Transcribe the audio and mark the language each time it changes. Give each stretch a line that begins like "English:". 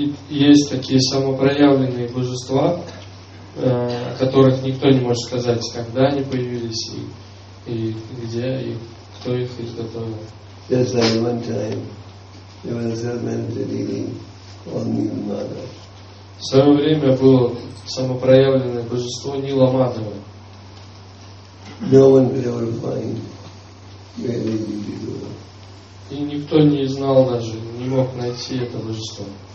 Russian: Есть такие самопроявленные божества, о которых никто не может сказать, когда они появились и где, и кто их изготовил.
English: Just like one time, there was a self-manifested deity called Nila Madhava.
Russian: В свое время было самопроявленное божество Нила Мадхава.
English: No one could ever find where the deity was.
Russian: И никто не знал даже, не мог найти это божество.